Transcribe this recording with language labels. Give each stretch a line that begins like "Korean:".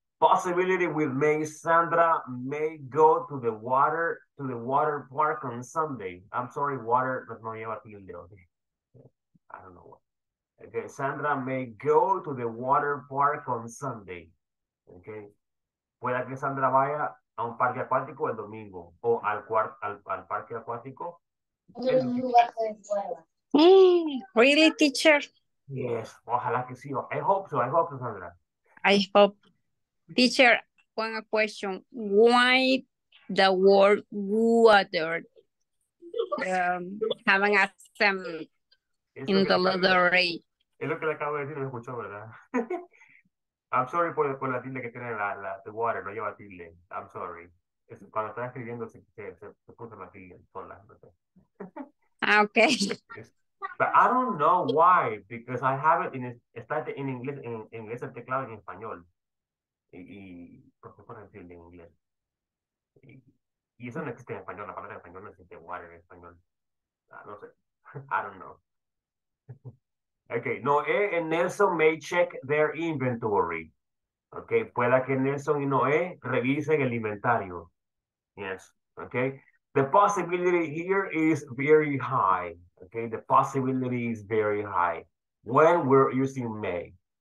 English: Possibility with may, Sandra may go to the water, park on Sunday. I'm sorry, water, but
Spanish: no lleva tilde,
English: okay. I don't know what. Okay, Sandra may go to the water park on Sunday. Okay.
Spanish: Pueda que Sandra vaya a un parque acuático el domingo o al parque acuático.
English: Really, teacher? Yes,
Spanish: ojalá que sí.
English: I hope so, Sandra. I hope. Teacher, one question. Why the word water having a sem in the lottery?
Spanish: Es lo que le acabo de decir, lo escuchó, ¿verdad?
English: I'm sorry
Spanish: por la tilde que tiene la
English: the water,
Spanish: no lleva tilde. I'm sorry. Es, cuando estaba escribiendo se puso la tilde sola.
English: Ah, okay. But I don't know why, because I have it in
Spanish: está en inglés el teclado en español. Y por qué pone tilde en inglés. Y eso no existe en español, la palabra en español no existe water en español. No sé.
English: I don't know. Okay, Noé and Nelson may check their inventory.
Spanish: Okay, pueda que Nelson y Noé revisen el inventario.
English: Yes, okay. The possibility here is very high. Okay, the possibility is very high when we're using may.